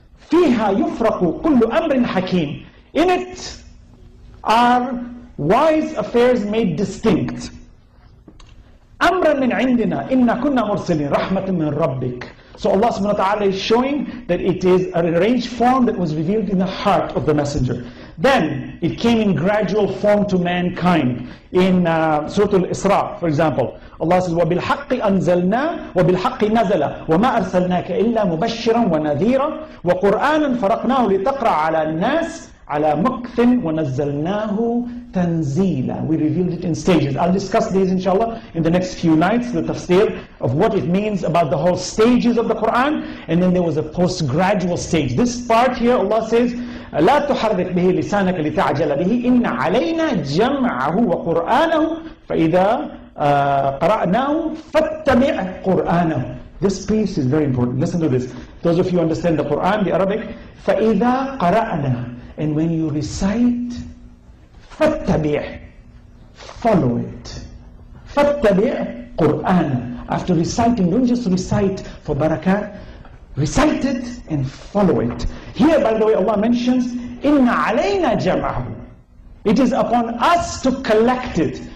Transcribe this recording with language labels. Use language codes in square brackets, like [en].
[ar] فِيهَا يُفْرَقُ كُلُّ أَمْرٍ حَكِيمٍ [en] In it are wise affairs made distinct. [ar] أَمْرًا مِنْ عِنْدِنَا إِنَّا كُنَّا مُرْسِلِينَ رَحْمَةٍ مِنْ رَبِّكَ [en] So Allah subhanahu wa ta'ala is showing that it is an arranged form that was revealed in the heart of the messenger. Then it came in gradual form to mankind. In Surah Al-Isra, for example, Allah says, [ar] وَبِالْحَقِّ أَنزَلْنَا وَبِالْحَقِّ نَزَلَ وَمَا أَرْسَلْنَاكَ إِلَّا مُبَشِّرًا وَنَذِيرًا وَقُرْآنًا فَرَقْنَاهُ لِتَقْرَى عَلَى النَّاسِ عَلَى مُكْثٍ وَنَزَّلْنَاهُ تَنزِيلًا [en] We revealed it in stages. I'll discuss these inshallah in the next few nights, the tafsir of what it means about the whole stages of the Quran. And then there was a post-gradual stage. This part here, Allah says, [ar] لا تحرك به لسانك لتعجل به إن علينا جمعه وقرآنه فإذا قرأناه فاتبع قرآنه [en] This piece is very important. Listen to this. Those of you who understand the Quran, the Arabic, [ar] فإذا قرأنا [en] And when you recite, [ar] فاتبع [en] Follow it. [ar] فاتبع قرآن [en] After reciting, don't just recite for barakah. Recite it and follow it. Here, by the way, Allah mentions, [ar] إِنَّ عَلَيْنَا جَمْعَهُ [en] It is upon us to collect it.